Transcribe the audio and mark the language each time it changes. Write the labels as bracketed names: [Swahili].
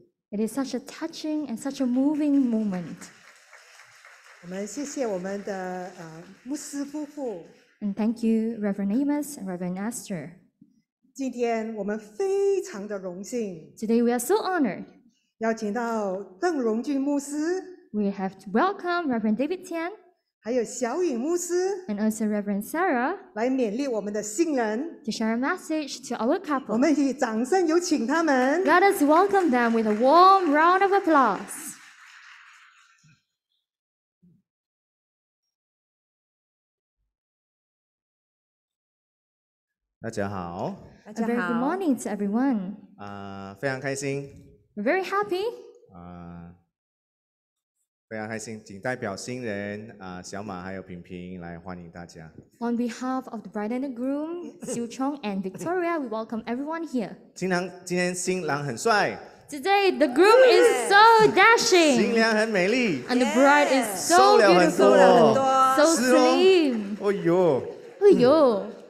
[English] It is such a touching and such a moving moment. [Chinese] 我们谢谢我们的牧师夫妇。 [English] And thank you, Reverend Amos and Reverend Esther. [Chinese] 今天我们非常的荣幸。 [English] Today we are so honored. [Chinese] 邀请到邓荣俊牧师。 [English] We have to welcome Reverend David Tian. [Chinese] 还有小允牧师 [English] and also Reverend Sarah [Chinese] 来勉励我们的新人 [English] to share a message to our couple. [Chinese] 我们以掌声有请他们 [English] Let us welcome them with a warm round of applause. [Chinese] 大家好 [English] A very good morning to everyone. [Chinese] 非常开心 [English] We're very happy. [Chinese] 非常开心，请代表新人小马还有平平来欢迎大家。 [English] On behalf of the bride and the groom, Xiu Chong and Victoria, we welcome everyone here. [Chinese] 今天新郎很帅。 [English] Today the groom is so dashing. [Chinese] 新娘很美丽。 [English] And the bride is so beautiful. [Chinese] 瘦了很多，瘦了很多。 [English] So slim.